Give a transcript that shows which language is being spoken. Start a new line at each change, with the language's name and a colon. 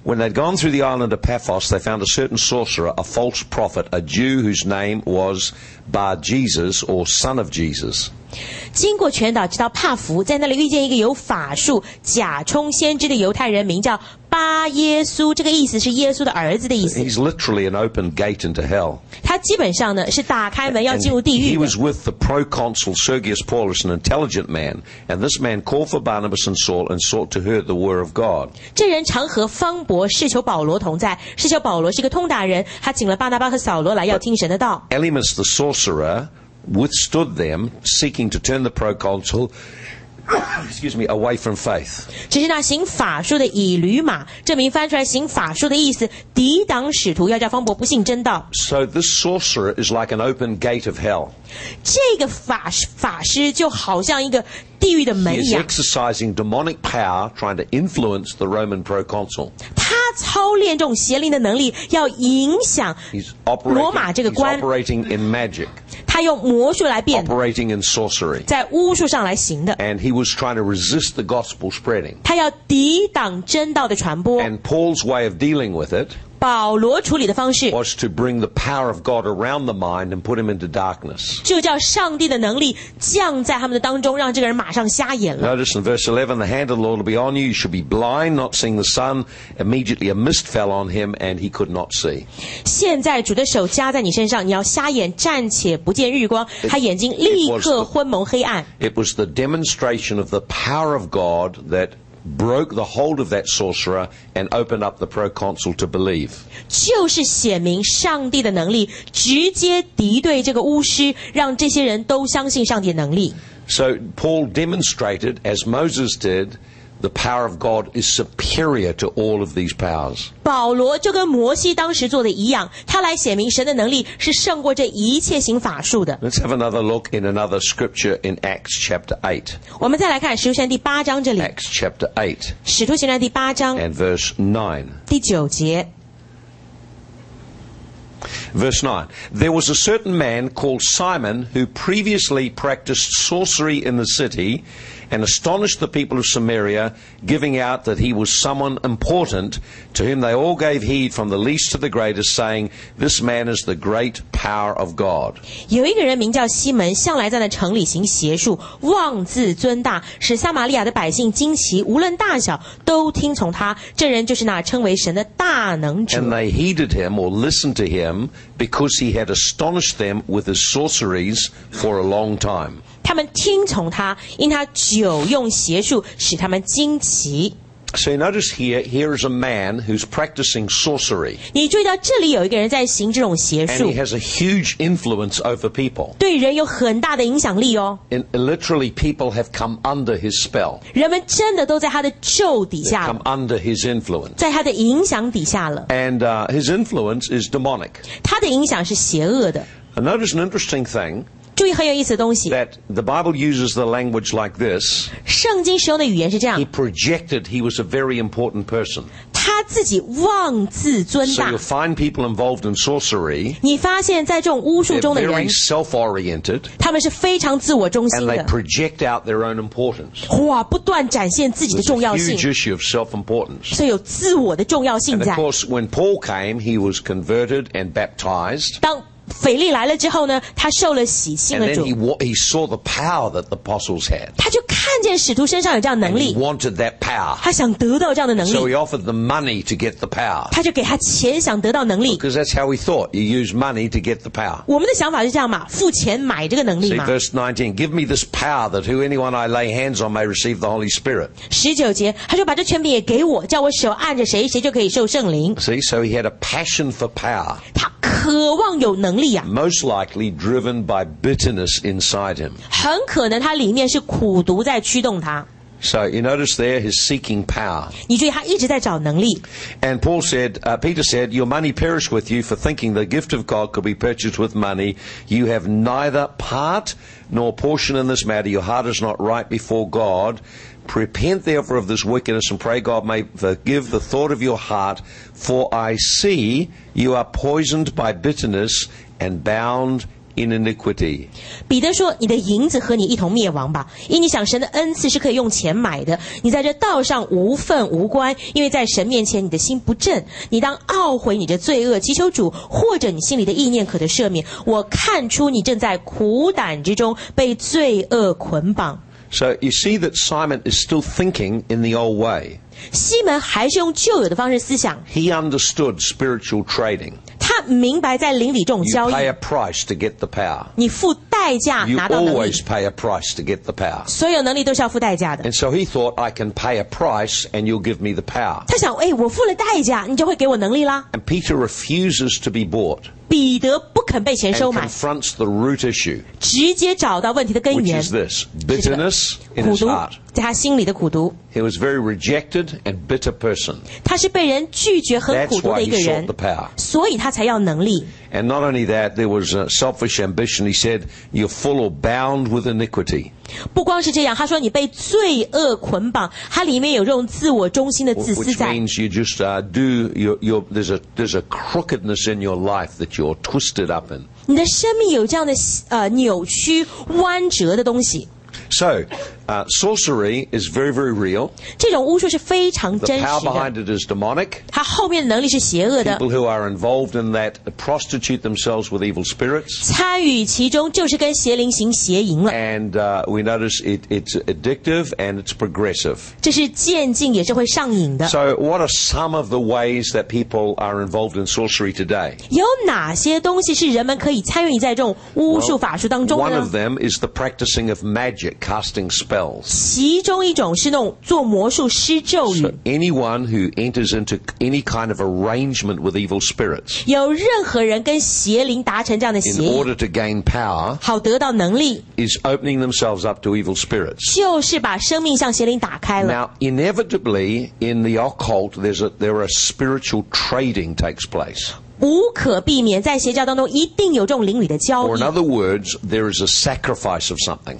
English: When they'd gone through the island of Paphos, they found a certain sorcerer, a false prophet, a Jew whose name was Bar-Jesus or son of Jesus.
Chinese: 经过全岛直到帕弗，在那里遇见一个有法术、假充先知的犹太人，名叫巴耶稣，这个意思是耶稣的儿子的意思。
English: He's literally an open gate into hell.
Chinese: 他基本上呢是打开门要进入地狱。
English: He was with the proconsul Sergius Paulus, an intelligent man, and this man called for Barnabas and Saul and sought to hear the word of God.
Chinese: 这人常和方伯释求保罗同在，释求保罗是个通达人，他请了巴拿巴和扫罗来要听神的道。
English: Elymas the sorcerer withstood them, seeking to turn the proconsul. Excuse me, away from faith.
Chinese: 只是那行法术的以驴马，这名翻出来行法术的意思，抵挡使徒，要叫方伯不信真道。
English: So this sorcerer is like an open gate of hell.
Chinese: 这个法师就好像一个地狱的门一样。
English: He is exercising demonic power, trying to influence the Roman proconsul.
Chinese: 他操练这种邪灵的能力，要影响罗马这个官。
English: He's operating in magic.
Chinese: 他用魔术来变
English: Operating in sorcery.
Chinese: 在巫术上来行的
English: And he was trying to resist the gospel spreading.
Chinese: 他要抵挡真道的传播
English: And Paul's way of dealing with it
Chinese: 保罗处理的方式
English: was to bring the power of God around the mind and put him into darkness.
Chinese: 就叫上帝的能力降在他们的当中，让这个人马上瞎眼了。
English: Notice in verse 11, the hand of the Lord will be on you. You shall be blind, not seeing the sun. Immediately a mist fell on him, and he could not see.
Chinese: 现在主的手加在你身上，你要瞎眼，暂且不见日光。他眼睛立刻昏蒙黑暗。
English: It was the demonstration of the power of God that. Broke the hold of that sorcerer and opened up the proconsul to believe.
Chinese: 就是显明上帝的能力，直接敌对这个巫师，让这些人都相信上帝的能力。
English: So Paul demonstrated, as Moses did, the power of God is superior to all of these powers.
Chinese: 保罗就跟摩西当时做的一样，他来显明神的能力是胜过这一切行法术的。
English: Let's have another look in another scripture in Acts chapter 8.
Chinese: 我们再来看使徒行传第八章这里。
English: Acts chapter 8.
Chinese: 使徒行传第八章。
English: And verse 9.
Chinese: 第九节。
English: Verse 9. There was a certain man called Simon who previously practiced sorcery in the city and astonished the people of Samaria, giving out that he was someone important to whom they all gave heed from the least to the greatest, saying, This man is the great power of God.
Chinese: 有一个人名叫西门，向来在那城里行邪术，妄自尊大，使撒玛利亚的百姓惊奇，无论大小都听从他。这人就是那称为神的大能者。
English: And they heeded him or listened to him. Because he had astonished them with his sorceries for a long time.
Chinese: 他们听从他，因他久用邪术，使他们惊奇。
English: So you notice here is a man who's practicing sorcery.
Chinese: 你注意到这里有一个人在行这种邪术。
English: And he has a huge influence over people.
Chinese: 对人有很大的影响力哦。
English: And literally, people have come under his spell.
Chinese: 人们真的都在他的咒底下。
English: They've come under his influence.
Chinese: 在他的影响底下了。
English: And his influence is demonic.
Chinese: 他的影响是邪恶的。
English: And notice an interesting thing.
Chinese: 注意很有意思的东西。
English: That the Bible uses the language like this.
Chinese: 圣经使用的语言是这样。
English: He projected he was a very important person.
Chinese: 他自己妄自尊大。
English: So you find people involved in sorcery.
Chinese: 你发现在这种巫术中的人。
English: They're very self-oriented.
Chinese: 他们是非常自我中心的。
English: And they project out their own importance.
Chinese: 哇，不断展现自己的重要性。
English: Huge issue of self-importance.
Chinese: 所以有自我的重要性在。
English: And of course, when Paul came, he was converted and baptized.
Chinese: 当腓力来了之后呢，他受了洗，信了主。
English: And then he saw the power that the apostles had.
Chinese: 他就看见使徒身上有这样能力。
English: And he wanted that power.
Chinese: 他想得到这样的能力。
English: So he offered them money to get the power.
Chinese: 他就给他钱，想得到能力。
English: Because that's how we thought. You use money to get the power.
Chinese: 我们的想法是这样嘛，付钱买这个能力嘛。
English: See, verse 19, give me this power that who anyone I lay hands on may receive the Holy Spirit.
Chinese: 19节，他说把这权柄也给我，叫我手按着谁，谁就可以受圣灵。
English: See, so he had a passion for power.
Chinese: 他渴望有能力啊。
English: Most likely driven by bitterness inside him.
Chinese: 很可能他里面是苦毒在驱动他。
English: So you notice there, he's seeking power.
Chinese: 你注意他一直在找能力。
English: And Paul said, Peter said, your money perish with you for thinking the gift of God could be purchased with money. You have neither part nor portion in this matter. Your heart is not right before God. Repent therefore of this wickedness and pray God may forgive the thought of your heart. For I see you are poisoned by bitterness. And bound in iniquity.
Chinese: 彼得说：“你的银子和你一同灭亡吧，因你想神的恩赐是可以用钱买的。你在这道上无份无关，因为在神面前你的心不正。你当懊悔你的罪恶，祈求主，或者你心里的意念可得赦免。我看出你正在苦胆之中，被罪恶捆绑。”
English: So you see that Simon is still thinking in the old way.
Chinese: 西门还是用旧有的方式思想。
English: He understood spiritual trading.
Chinese: 他明白在灵里这种交易。
English: You pay a price to get the power.
Chinese: 你付代价拿到能力。
English: You always pay a price to get the power.
Chinese: 所有能力都是要付代价的。
English: And so he thought, I can pay a price and you'll give me the power.
Chinese: 他想，哎，我付了代价，你就会给我能力啦。
English: And Peter refuses to be bought.
Chinese: 彼得不肯被钱收买。
English: And confronts the root issue.
Chinese: 直接找到问题的根源。
English: Which is this, bitterness in his heart.
Chinese: 在他心里的苦毒。
English: He was a very rejected and bitter person.
Chinese: 他是被人拒绝和苦毒的一个人。
English: That's why he sought the power.
Chinese: 所以他才要能力。
English: And not only that, there was a selfish ambition. He said, "You're full or bound with iniquity."
Chinese: 不光是这样，他说你被罪恶捆绑，他里面有这种自我中心的自私在。
English: Which means you just there's a crookedness in your life that you're twisted up in.
Chinese: 你的生命有这样的扭曲弯折的东西。
English: So, sorcery is very, very real.
Chinese: 这种巫术是非常真实的。
English: The power behind it is demonic.
Chinese: 它后面的能力是邪恶的。
English: People who are involved in that prostitute themselves with evil spirits.
Chinese: 参与其中就是跟邪灵行邪淫了。
English: And we notice it's addictive and it's progressive.
Chinese: 这是渐进也是会上瘾的。
English: So, what are some of the ways that people are involved in sorcery today?
Chinese: 有哪些东西是人们可以参与在这种巫术法术当中的呢？
English: One of them is the practicing of magic, casting spells.
Chinese: 其中一种是那种做魔术施咒语。
English: So anyone who enters into any kind of arrangement with evil spirits,
Chinese: 有任何人跟邪灵达成这样的协议
English: in order to gain power,
Chinese: 好得到能力
English: is opening themselves up to evil spirits.
Chinese: 就是把生命向邪灵打开了。
English: Now, inevitably, in the occult, there are spiritual trading takes place.
Chinese: 无可避免在邪教当中一定有这种灵里的交易
English: or in other words there is a sacrifice of something